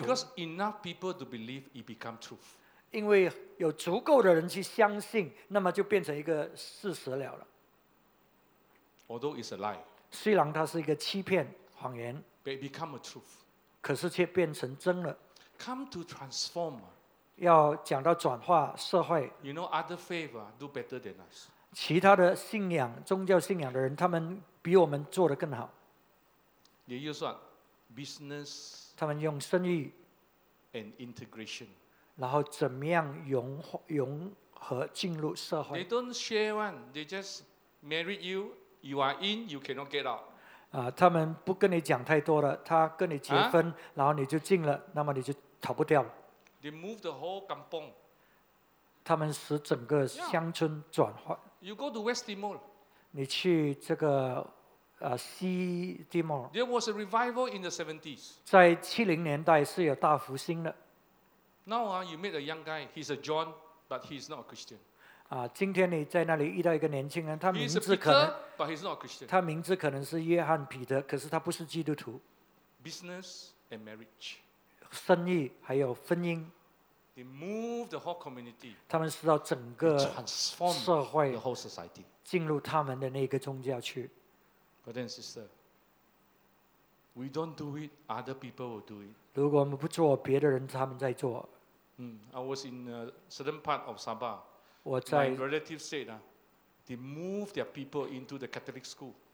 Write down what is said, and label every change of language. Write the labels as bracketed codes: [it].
[en] Because enough people to believe, it become truth. [zh] 因为有足够的人去相信，那么就变成一个事实了。 [en] Although it's a lie. [zh] 虽然它是一个欺骗谎言。 [en] But it become a truth. [zh] 可是却变成真了。 [en] Come to transform. [zh] 要讲到转化社会。 [en] You know, other faith do better than us. [zh] 其他的信仰，宗教信仰的人，他们比我们做得更好。 [en] They use what? Business. [zh] 他们用生意。 [en] And integration. [zh] 然后怎么样融合进入社会。 [en] They don't share one. They just marry you. You are in. You cannot get out. [zh] 他们不跟你讲太多了，他跟你结婚，然后你就进了，那么你就逃不掉了。 [en] They move the whole kampong. [zh] 他们使整个乡村转化。Yeah. [en] You go to West Timor. [zh] 你去这个。西蒂莫。 [en] There was a revival in the 70s. [zh] 在70年代是有大复兴的。 [en] Now, you meet a young guy. He's a John, but he's not a Christian. [zh] 今天你在那里遇到一个年轻人，他名字可能 [en] he's a Peter, but he's not a Christian. [zh] 他名字可能是约翰彼得，可是他不是基督徒。 [en] Business and marriage. [zh] 生意还有婚姻。 [en] They move the whole community. [zh] 他们使到整个社会 [en] the whole society. [zh] 进入他们的那个宗教去。 [en] Brother and sister, we don't do it, other people will do it. [zh] 如果我们不做，别的人他们在做。 [en] I was in a certain part of Sabah. [zh] 我在。 [en] My relative said, they move their people into the Catholic school.